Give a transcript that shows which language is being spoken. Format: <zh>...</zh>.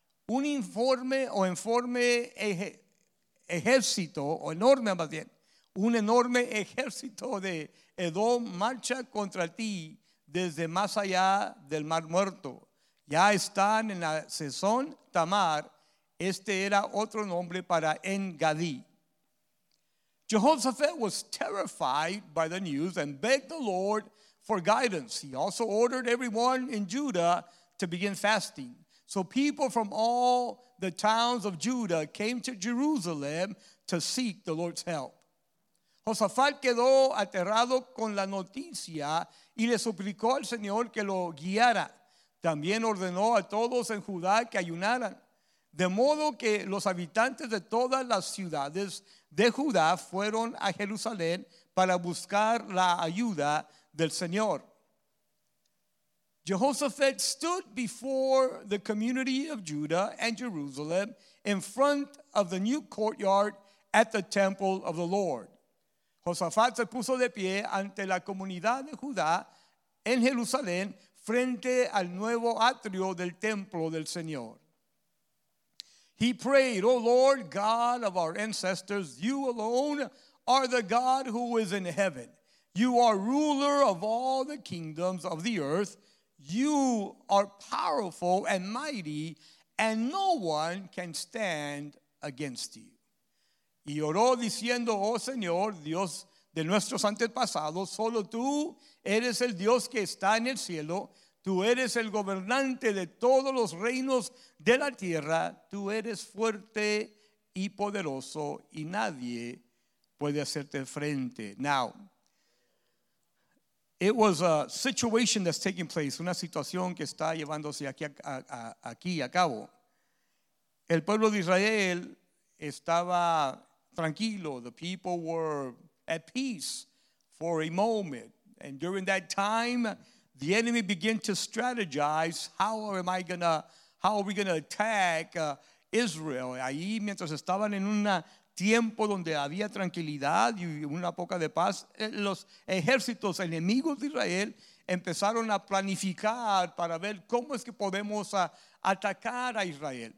<es>Un informe o informe ejército, o enorme más bien, un enorme ejército de Edom marcha contra ti desde más allá del Mar Muerto. Ya están en la Sesón Tamar, este era otro nombre para En-Gedi.</es> <en>Jehoshaphat was terrified by the news and begged the Lord for guidance. He also ordered everyone in Judah to begin fasting. So people from all the towns of Judah came to Jerusalem to seek the Lord's help.</en> <es>Jehoshaphat quedó aterrado con la noticia y le suplicó al Señor que lo guiara. También ordenó a todos en Judá que ayunaran. De modo que los habitantes de todas las ciudades de Judá fueron a Jerusalén para buscar la ayuda del Señor.</es> <en>Jehoshaphat stood before the community of Judah and Jerusalem in front of the new courtyard at the temple of the Lord.</en> <es>Jehoshaphat se puso de pie ante la comunidad de Judá en Jerusalén frente al nuevo atrio del templo del Señor.</es> <en>He prayed, O Lord God of our ancestors, you alone are the God who is in heaven. You are ruler of all the kingdoms of the earth. You are powerful and mighty, and no one can stand against you.</en> <es>Y oró diciendo, oh Señor, Dios de nuestros antepasados, solo tú eres el Dios que está en el cielo. Tú eres el gobernante de todos los reinos de la tierra. Tú eres fuerte y poderoso, y nadie puede hacerte frente.</es> <en>Now, it was a situation that's taking place,</en> <es>una situación que está llevándose aquí a cabo. El pueblo de Israel estaba tranquilo.</es> <en>The people were at peace for a moment. And during that time, the enemy began to strategize, how are we going to attack Israel?</en> <es>Ahí, mientras estaban en una tiempo donde había tranquilidad y una poca de paz, los ejércitos enemigos de Israel empezaron a planificar para ver cómo es que podemos atacar a Israel.</es>